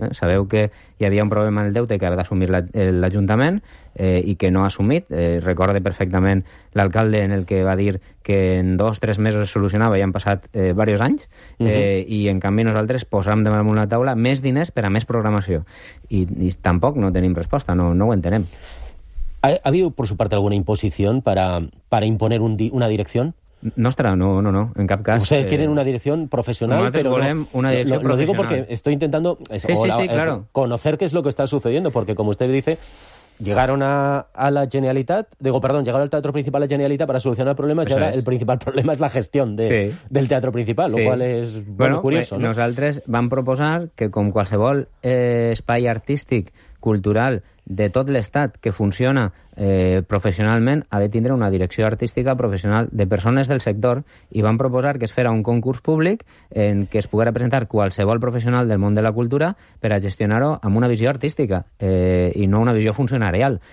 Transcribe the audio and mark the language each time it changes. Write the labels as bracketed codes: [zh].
[ca] Sabeu que hi havia un problema en el deute que havia d'assumir l'Ajuntament i que no ha assumit. Recorde perfectament l'alcalde en el que va dir que en 2-3 mesos es solucionava i han passat diversos anys. I en canvi nosaltres posàvem damunt la taula més diners per a més programació. I tampoc no tenim resposta, no ho entenem. [es] ¿Ha habido por su parte alguna imposición para imponer una dirección? [ca] Nostra, no, en cap cas. [es] O sea, quieren una dirección profesional, pero [ca] volem [es] no, una dirección lo digo porque estoy intentando claro. Conocer qué es lo que está sucediendo, porque como usted dice, llegaron a la Generalitat, llegaron al Teatro Principal a la Generalitat para solucionar problemas, y ahora el principal problema es la gestión del Teatro Principal, lo cual es bueno, curioso. ¿No? [ca] Nosaltres vam proposar que com qualsevol espai artístic, cultural de tot l'estat que funciona professionalment ha de tindre una direcció artística professional de persones del sector i van proposar que es fera un concurs públic en què es poguera presentar qualsevol professional del món de la cultura per a gestionar-ho amb una visió artística i no una visió funcionarial.